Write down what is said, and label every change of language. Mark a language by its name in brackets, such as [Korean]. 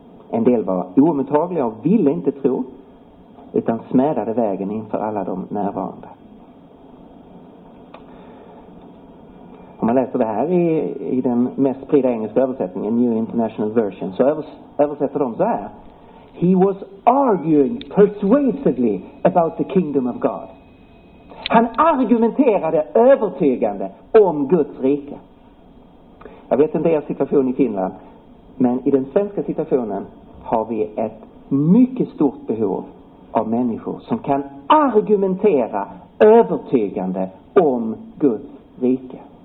[Swedish] En del var oemottagliga och ville inte tro, utan smädade vägen inför alla de närvarande. Om man läser det här i den mest spridda engelska översättningen, New International Version, så översätter de så här. [English] He was arguing persuasively about the kingdom of God. [Swedish] Han argumenterade övertygande om Guds rike. Jag vet inte er situation i Finland, men i den svenska situationen har vi ett mycket stort behov av människor som kan argumentera övertygande om Guds rike.